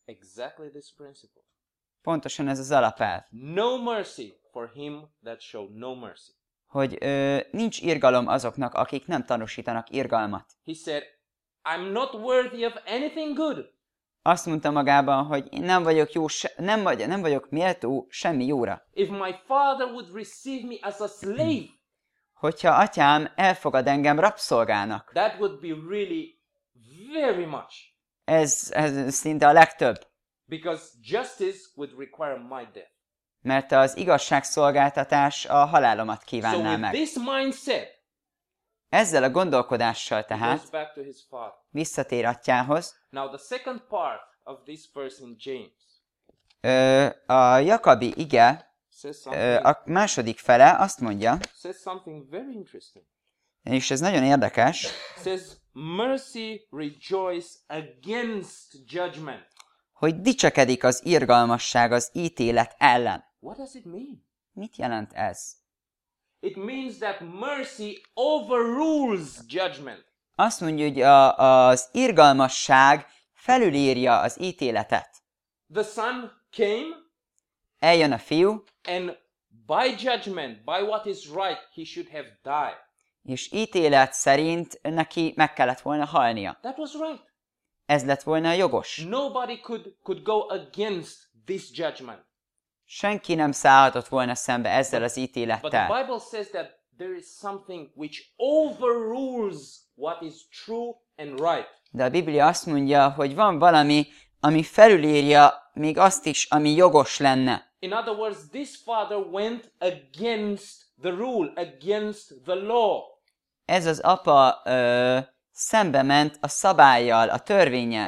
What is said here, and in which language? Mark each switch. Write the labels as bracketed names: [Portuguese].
[English] Exactly this principle. [Hungarian] Pontosan ez az alapelv. [English] No mercy for him that showed no mercy. [Hungarian] Hogy nincs irgalom azoknak, akik nem tanúsítanak irgalmat. [English] He said, I'm not worthy of anything good. [Hungarian] Azt mondta magában, hogy én nem vagyok méltó semmi jóra. [English] If my father would receive me as a slave. [Hungarian] Hogyha atyám elfogad engem rabszolgának. [English] That would be really very much. [Hungarian] Ez szinte a legtöbb. [English] Because justice would require my death. [Hungarian] Mert az igazságszolgáltatás a halálomat kívánná meg. [English] So with this mindset, [Hungarian] ezzel a gondolkodással tehát visszatér atyához. [English] Now the second part of this verse in James. [Hungarian] A Jakabi ige a második fele azt mondja, [English] says something very interesting. [Hungarian] És ez nagyon érdekes. [English] Says mercy rejoices against judgment. [Hungarian] Hogy dicsekedik az irgalmasság az ítélet ellen. [English] What does it mean? [Hungarian] Mit jelent ez? [English] It means that mercy overrules judgment. [Hungarian] Azt mondja, hogy az irgalmasság felülírja az ítéletet. [English] The son came. [Hungarian] Eljön a fiú. [English] And by judgment, by what is right, he should have died. [Hungarian] És ítélet szerint neki meg kellett volna halnia. [English] That was right. [Hungarian] Ez lett volna jogos. [English] Nobody could go against this judgment. [Hungarian] Senki nem szállhatott volna szembe ezzel az ítélettel. [English] But the Bible says that there is something which overrules what is true and right. [Hungarian] De a Biblia azt mondja, hogy van valami, ami felülírja még azt is, ami jogos lenne. [English] In other words, this father went against the rule, against the law. [Hungarian] Ez az apa szembe ment a szabállyal, a törvénnyel.